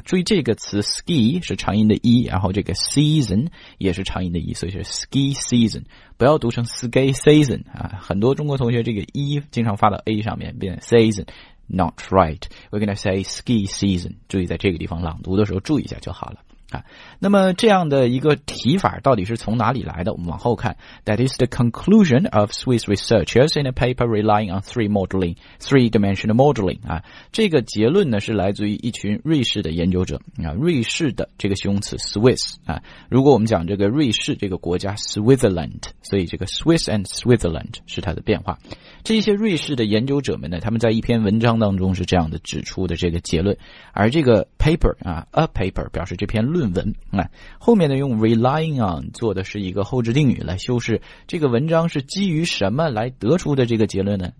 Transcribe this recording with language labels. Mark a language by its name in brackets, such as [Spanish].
[Chinese] 注意这个词 ski 是长音的 e, 然后这个 season 也是长音的 e, 所以是 ski season, 不要读成 ski season 啊。很多中国同学这个 e 经常发到 a 上面，变 season。 [English] Not right. We're going to say ski season. [Chinese] 注意在这个地方朗读的时候注意一下就好了。那么这样的一个提法到底是从哪里来的，我们往后看。 [English] That is the conclusion of Swiss researchers in a paper relying on three dimensional modeling. [Chinese] 这个结论呢是来自于一群瑞士的研究者。瑞士的这个形容词 Swiss,如果我们讲这个瑞士这个国家 Switzerland, 所以这个 Swiss and Switzerland 是它的变化。这些瑞士的研究者们呢，他们在一篇文章当中是这样的指出的这个结论，而这个 paper 啊 ，a paper 表示这篇论文啊，后面呢用 relying on 做的是一个后置定语来修饰，这个文章是基于什么来得出的这个结论呢？